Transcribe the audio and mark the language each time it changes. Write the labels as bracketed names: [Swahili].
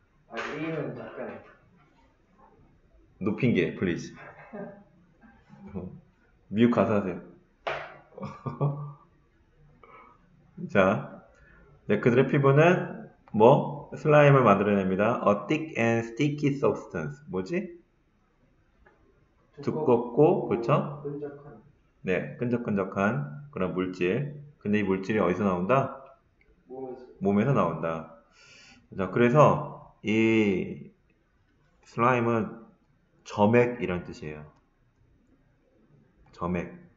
[Korean] 아, 게임은 약간. 높인 게, please. 미국 가서 하세요. 자, 네, 그들의 피부는 뭐 슬라임을 만들어냅니다. [English] A thick and sticky substance. [Korean] 뭐지? 두껍고 그렇죠? 끈적한. 네, 끈적끈적한 그런 물질. 근데 이 물질이 어디서 나온다? 모래에서. 몸에서 나온다. 자, 그래서 이 슬라임은 점액이란 뜻이에요. 점액.